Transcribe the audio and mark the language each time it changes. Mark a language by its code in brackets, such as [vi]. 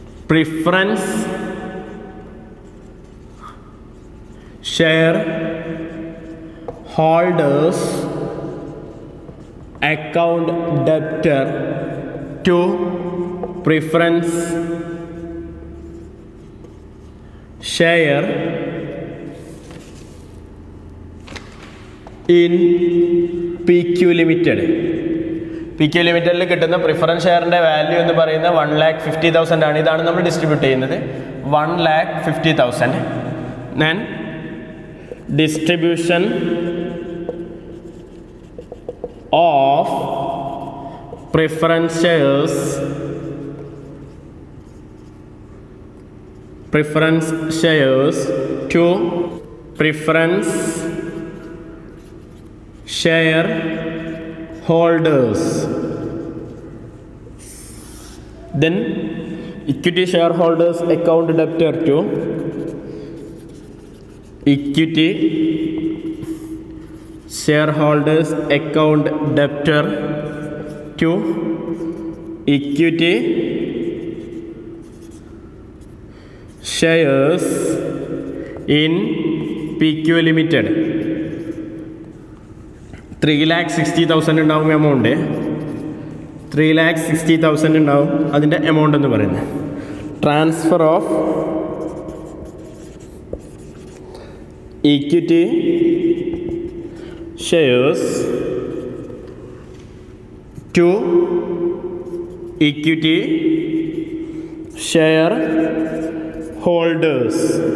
[en] Preference share holders account debtor to preference share in P Q limited. [ml] P Q ലിമിറ്റഡിൽ കിട്ടുന്ന preference ഷെയറിൻ്റെ value എന്ന് പറയുന്നത് 150,000 ആണ്. ഇതാണ് നമ്മൾ ഡിസ്ട്രിബ്യൂട്ട് ചെയ്യുന്നത്, 150,000. [en] then distribution of preference shares preference shares to preference share holders, then equity shareholders account debtor to equity shareholders account debtor to equity shares in PQ limited 360,000 [ml] ഉണ്ടാവും amount. [en] 360,000 [ml] ഉണ്ടാവും അതിൻ്റെ എമൗണ്ട് എന്ന് പറയുന്നത്. [en] Transfer of equity shares to equity share holders.